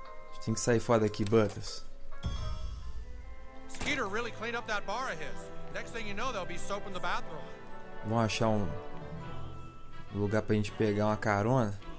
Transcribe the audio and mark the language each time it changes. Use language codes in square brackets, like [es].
[pt] A gente tem que sair fora daqui, Butters. [en] Skeeter really cleaned up that bar of his. Next thing you know, they'll be soaping the bathroom. [pt] Vamos achar um lugar pra gente pegar uma carona.